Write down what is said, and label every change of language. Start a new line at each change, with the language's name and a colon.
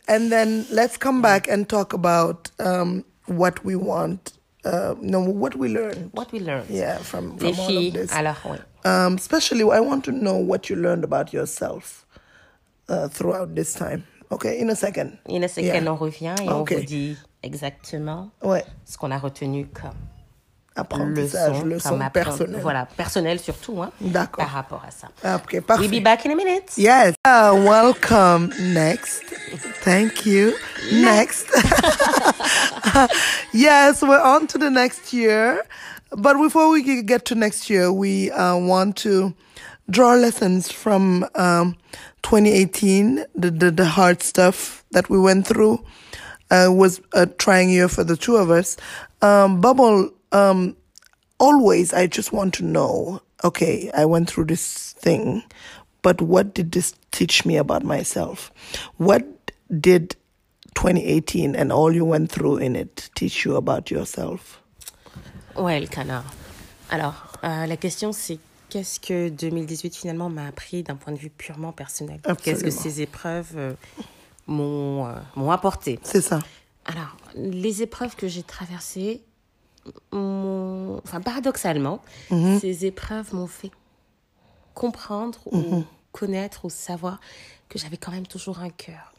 English: And then let's come back and talk about what we want. What we learned. What we learned. Yeah, from all of this.
French: Alors, oui.
English: Especially, I want to know what you learned about yourself throughout this time. Okay, in a second. In a second, yeah.
French: On revient et on vous dit exactement ce qu'on a retenu comme leçon personnelle. Voilà, personnelle surtout, hein, d'accord. Par rapport à ça. Okay, parfait.
English: We'll be back in a minute. Yes. Welcome next. Thank you. Next. Yes, we're on to the next year. But before we get to next year, we want to draw lessons from 2018, the hard stuff that we went through. Was a trying year for the two of us. Bubble, always I just want to know, okay, I went through this thing, but what did this teach me about myself? What did 2018 and all you went through in it teach you about yourself? Well, Kana.
French: Alors, la question c'est qu'est-ce que 2018 finalement m'a appris d'un point de vue purement personnel. Absolument. Qu'est-ce que ces épreuves m'ont apporté. C'est ça. Alors, les épreuves que j'ai traversées paradoxalement, ces épreuves m'ont fait comprendre ou connaître ou savoir que j'avais quand même toujours un cœur.